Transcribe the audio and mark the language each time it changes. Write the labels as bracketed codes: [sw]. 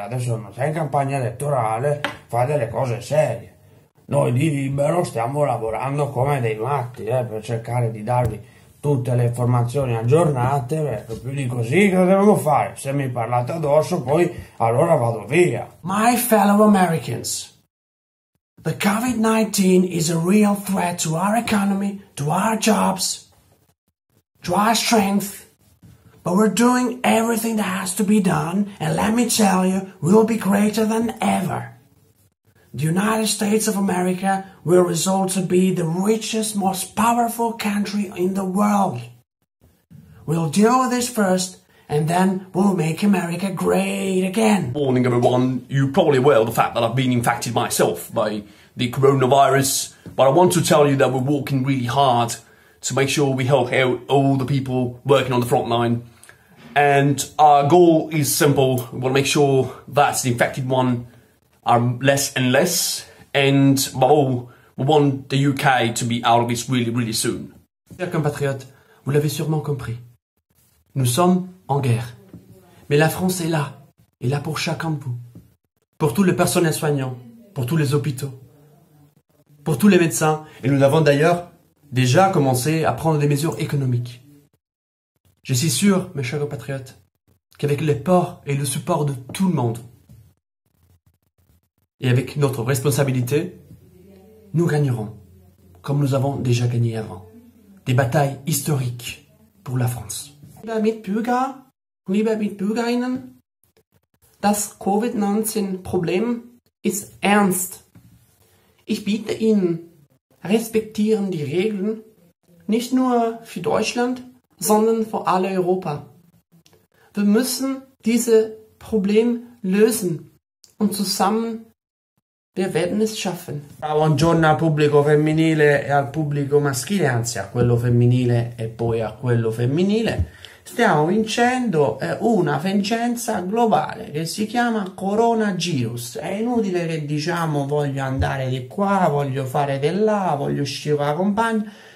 [it] Adesso non sei in campagna elettorale, fai delle cose serie. Noi di Libero stiamo lavorando come dei matti, per cercare di darvi tutte le informazioni aggiornate, perché più di così cosa dobbiamo fare? Se mi parlate addosso, poi allora vado via. [en] My fellow Americans, the COVID-19 is a real threat to our economy, to our jobs, to our strength, but we're doing everything that has to be done, and let me tell you, we'll be greater than ever. The United States of America will result to be the richest, most powerful country in the world. We'll deal with this first, and then we'll make America great again. Warning everyone, you're probably aware of the fact that I've been infected myself by the coronavirus, but I want to tell you that we're working really hard to make sure we help out all the people working on the front line. And our goal is simple, we want to make sure that the infected one are less and less, and above all, we want the UK to be out of this really, really soon. [fr] Chers compatriotes, vous l'avez sûrement compris. Nous sommes en guerre. Mais la France est là, et là pour chacun de vous. Pour tout le personnel soignant, pour tous les hôpitaux, pour tous les médecins. Et nous avons d'ailleurs déjà commencé à prendre des mesures économiques. Je suis sûr, mes chers compatriotes, qu'avec les ports et le support de tout le monde, et avec notre responsabilité, nous gagnerons, comme nous avons déjà gagné avant, des batailles historiques pour la France. [de] Liebe Mitbürger, liebe Mitbürgerinnen, das Covid-19-Problem ist ernst. Ich bitte Ihnen, respektieren die Regeln, nicht nur für Deutschland, sondern für alle Europa. Wir müssen dieses Problem lösen und zusammen wir werden es schaffen. [it] Buongiorno al pubblico femminile e al pubblico maschile, anzi a quello femminile e poi a quello femminile. Stiamo vincendo una vincenza globale che si chiama coronavirus. È inutile che diciamo voglio andare di qua, voglio fare di là, voglio uscire con la compagna.